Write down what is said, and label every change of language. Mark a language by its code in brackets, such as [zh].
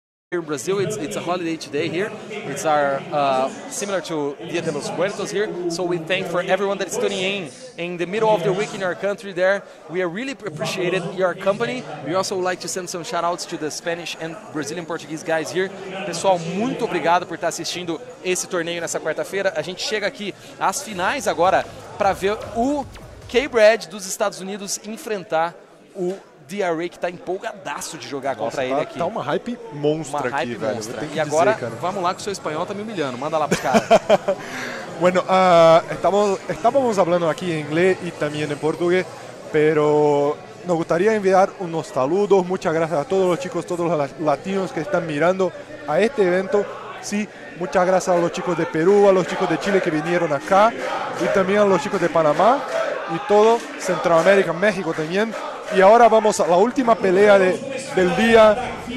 [en] here in Brazil, it's a holiday today here. It's our similar to Dia de los Muertos here. So we thank for everyone that is tuning in the middle of the week in our country there. We are really appreciated your company. We also like to send some shout outs to the Spanish and Brazilian Portuguese guys here. [pt] Pessoal, muito obrigado por estar assistindo esse torneio nessa quarta-feira. A gente chega aqui às finais agora para ver o K-Brad dos Estados Unidos enfrentar o DR.Ray, que tá empolgadaço de jogar contra ele aqui. Tá uma hype monstra aqui, velho. Monstra. Eu tenho que e agora, dizer, cara. Vamos lá, que o seu espanhol tá me humilhando. Manda lá pro cara. [es] Bueno, [pt] estávamos falando aqui em inglês e também em português, [es] pero nos gustaría enviar unos saludos. Muchas gracias a todos los chicos, todos los latinos que están mirando a este evento. Sí, muchas gracias a los chicos de Perú, a los chicos de Chile que vinieron acá y también a los chicos de Panamá y todo Centroamérica, México también. Y ahora vamos a la última pelea del día.